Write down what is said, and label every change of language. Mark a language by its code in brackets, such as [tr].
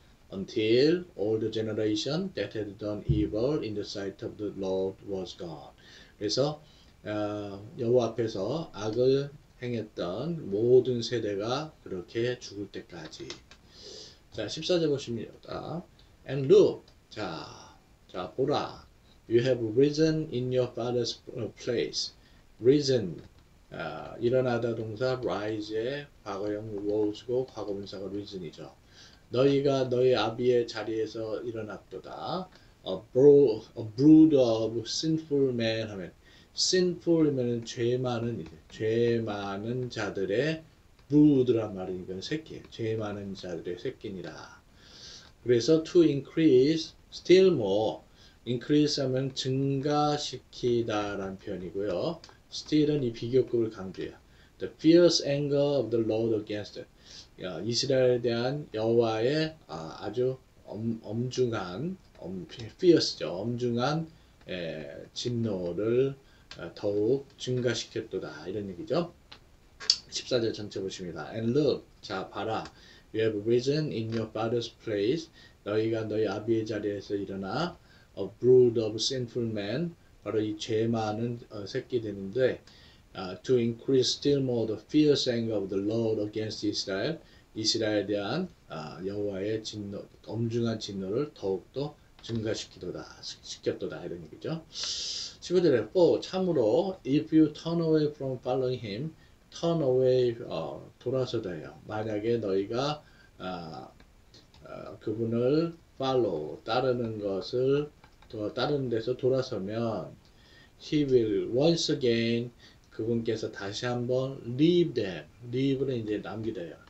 [en] Until all the generation that had done evil in the sight of the Lord was gone. [ko] 그래서 여호와 앞에서 악을 행했던 모든 세대가 그렇게 죽을 때까지. 자, 14절 보십니다. [en] And look, [ko] 자, 보라. [en] You have risen in your father's place. Risen. [ko] 일어나다 동사 rise의 과거형 rose고 과거분사가 reason이죠. 너희가 너희 아비의 자리에서 일어났도다. [en] A brood of sinful men [ko] 하면 sinful이면 죄 많은 자들의 brood란 말이니까 새끼, 죄 많은 자들의 새끼니라. 그래서 [en] to increase still more, [ko] increase하면 증가시키다란 표현이고요. Still은 이 비교급을 강조해요. [en] The fierce anger of the Lord against it. [ko] 이스라엘에 대한 여호와의 아주 엄중한 fierce죠. 엄중한 진노를 더욱 증가시켰도다. 이런 얘기죠. 14절 전체 보십니다. [en] And look, [ko] 자, 봐라. [en] You have risen in your father's place. [ko] 너희가 너희 아비의 자리에서 일어나. [en] A brood of sinful men. [ko] 바로 이 죄 많은 새끼들인데. [en] To increase still more the fierce anger of the Lord against Israel. [ko] 이스라엘에 대한 여호와의 진노, 엄중한 진노를 더욱더 증가시키도다, 시켰도다, 이런 얘기죠. 15절에 또 참으로 [en] if you turn away from following him, turn away [ko] 돌아서다 해요. 만약에 너희가 그분을 follow 따르는 것을 또 다른 데서 돌아서면 [en] he will once again [ko] 그분께서 다시 한번 [en] leave them, [ko] leave를 이제 남기다 해요.